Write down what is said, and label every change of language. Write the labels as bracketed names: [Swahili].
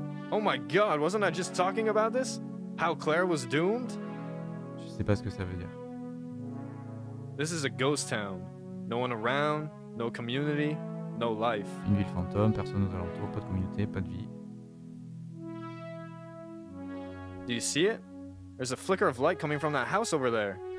[English] Oh my god, wasn't I just talking about this? How Claire was doomed? [French] Je sais pas ce que ça veut dire. [English] This is a ghost town. No one around, no community, no life. [French] Une ville fantôme, personne aux alentours, pas de communauté, pas de vie. [English] Do you see it? There's a flicker of light coming from that house over there.